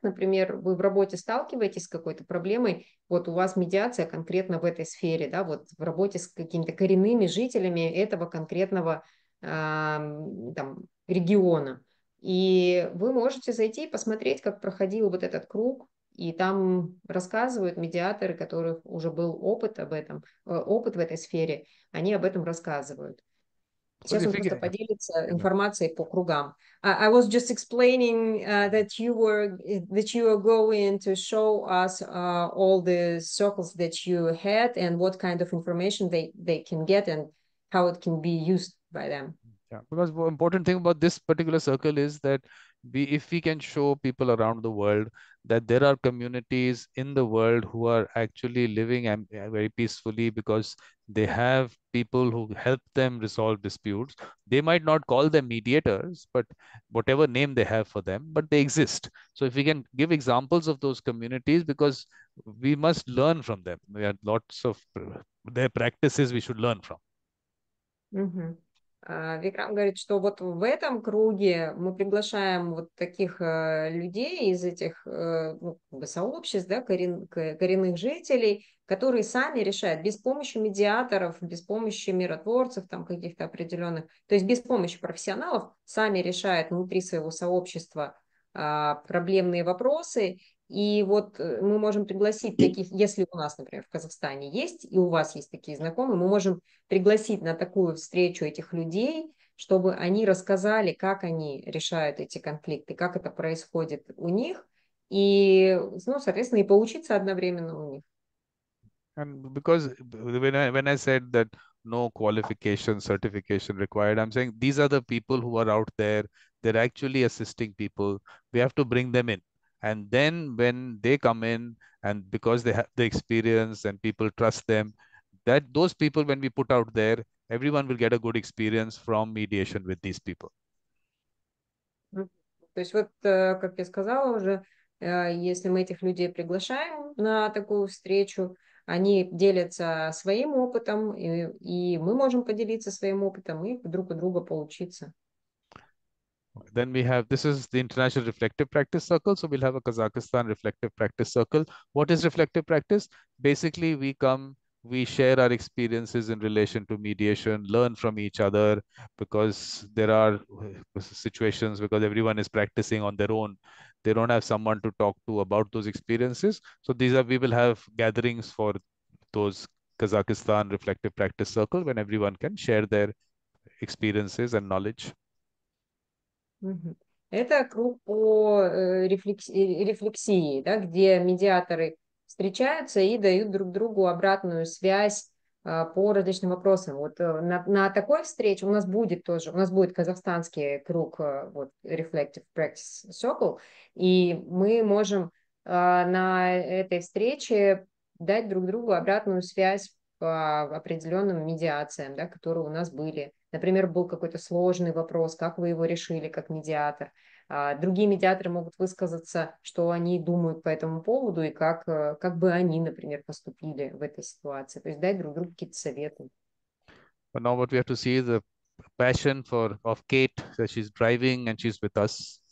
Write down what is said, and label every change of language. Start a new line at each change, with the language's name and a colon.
Russian: Например, вы в работе сталкиваетесь с какой-то проблемой, вот у вас медиация конкретно в этой сфере, да, вот в работе с какими-то коренными жителями этого конкретного там, региона. И вы можете зайти и посмотреть, как проходил вот этот круг, и там рассказывают медиаторы, у которых уже был опыт об этом, опыт в этой сфере, они об этом рассказывают.
English: So
Russian: Сейчас
English: if
Russian: он
English: we
Russian: просто
English: get,
Russian: поделится информацией по кругам.
English: I was just explaining that you are going to show us all the circles that you had and what kind of information they can get and how it can be used by them. yeah. Because the important thing about this particular circle is that if we can show people around the world that there are communities in the world who are actually living very peacefully because they have people who help them resolve disputes. They might not call them mediators, but whatever name they have for them, but they exist. So if we can give examples of those communities, because we must learn from them. We have lots of their practices we should learn from.
Russian: Викрам говорит, что вот в этом круге мы приглашаем вот таких людей из этих ну, как бы сообществ, да, коренных жителей, которые сами решают без помощи медиаторов, без помощи миротворцев там каких-то определенных, то есть без помощи профессионалов сами решают внутри своего сообщества проблемные вопросы. И вот мы можем пригласить таких, если у нас, например, в Казахстане есть, и у вас есть такие знакомые, мы можем пригласить на такую встречу этих людей, чтобы они рассказали, как они решают эти конфликты, как это происходит у них, и, ну, соответственно, и поучиться одновременно у них.
English: And because when I said that no qualification certification required, I'm saying these are the people who are out there. They're actually assisting people. We have to bring them in. And then when they come in, and because they have the experience and people trust them, that those people, when we put out there, everyone will get a good experience from mediation with these people.
Russian: То есть вот, как я сказала уже, если мы этих людей приглашаем на такую встречу, они делятся своим опытом, и мы можем поделиться своим опытом, и друг у друга получиться.
English: Then we have, this is the International Reflective Practice Circle. So we'll have a Kazakhstan Reflective Practice Circle. What is reflective practice? Basically, we come, we share our experiences in relation to mediation, learn from each other because there are situations because everyone is practicing on their own. They don't have someone to talk to about those experiences. So these are, we will have gatherings for those Kazakhstan Reflective Practice Circle when everyone can share their experiences and knowledge.
Russian: Это круг по рефлексии, да, где медиаторы встречаются и дают друг другу обратную связь по различным вопросам. Вот на такой встрече у нас будет тоже, у нас будет казахстанский круг, вот, Reflective Practice Circle, и мы можем на этой встрече дать друг другу обратную связь по определенным медиациям, да, которые у нас были. Например, был какой-то сложный вопрос, как вы его решили как медиатор. Другие медиаторы могут высказаться, что они думают по этому поводу и как бы они, например, поступили в этой ситуации. То есть дать друг другу какие-то советы.
English: But now what we have to see is the passion for of Kate that she's driving and she's with us.